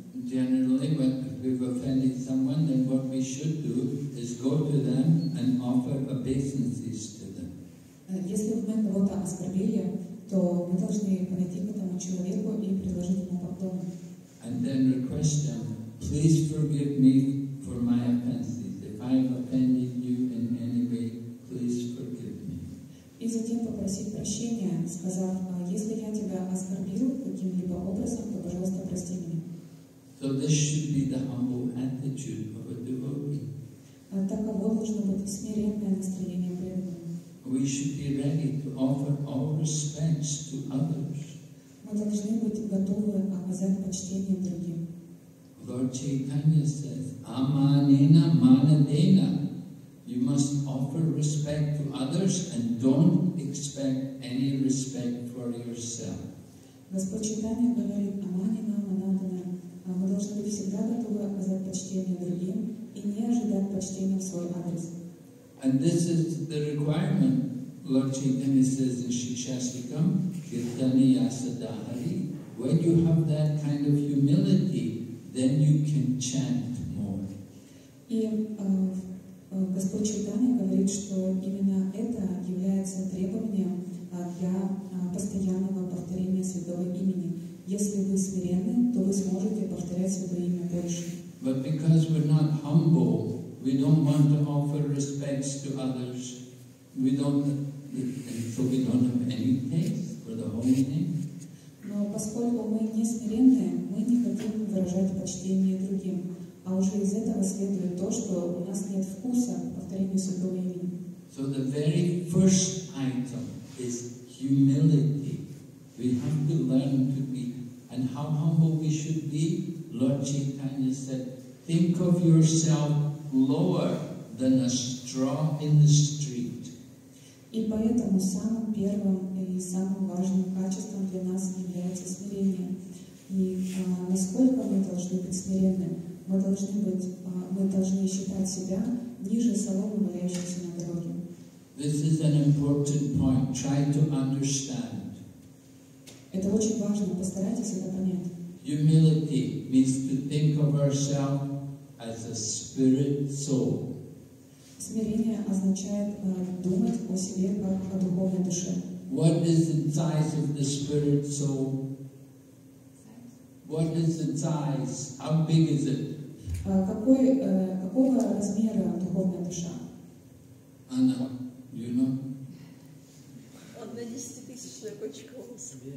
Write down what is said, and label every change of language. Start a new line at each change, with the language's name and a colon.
English: Generally, when we've offended someone, then what we should do is go to them and offer obeisances to them.
Russian: Если мы кого-то оскорбили, то мы должны подойти к этому человеку и дома.
English: And then request them, please forgive me for my offenses. If I have offended you in any way, please forgive me.
Russian: И затем попросить прощения, сказав, если я тебя оскорбил каким-либо образом, то, пожалуйста, прости меня.
English: So this should be the humble attitude of a devotee.
Russian: Таково должно быть смиренное настроение преданного.
English: We should be ready to offer all respects to others.
Russian: Мы должны быть готовы оказать почтение другим.
English: Lord Chaitanya says, Amanena Manadena. You must offer respect to others and don't expect any respect for yourself.
Russian: Господь Чайтанья говорит, Аманина Манадена. Мы должны быть всегда готовы оказать почтение другим и не ожидать почтения в свой адрес.
English: And this is the requirement. Lord Chaitanya says in Shikshastikam, Kirtaniya Sadahari, when you have that kind of humility, then you can chant more.
Russian: И Господь Чайтанья говорит, что именно это является требованием для постоянного повторения святого имени. Если вы смиренны, то вы сможете повторять святое имя больше.
English: But because we're not humble, we don't want to offer respects to others. We don't. And so we don't have any taste for the holy name.
Russian: Но поскольку мы не смиренные, мы не хотим выражать почтение другим. А уже из этого следует то, что у нас нет вкуса к повторению святого имени.
English: So the very first item is humility. We have to learn to be. And how humble we should be, Lord Chaitanya said, think of yourself lower than a straw in the street.
Russian: И поэтому самым первым и самым важным качеством для нас является смирение. И насколько мы должны быть смиренны, мы должны считать себя ниже соломы, валяющейся на дороге.
English: This is an important point. Try to understand.
Russian: Это очень важно. Постарайтесь это понять.
English: Humility means to think of ourselves as a spirit soul.
Russian: Смирение означает думать о себе как о духовной душе.
English: What is the size of the spirit soul? What is the size? How big is it?
Russian: Какого размера духовная душа?
English: Anna, you know?
Russian: Одна 10-тысячная кочка волос.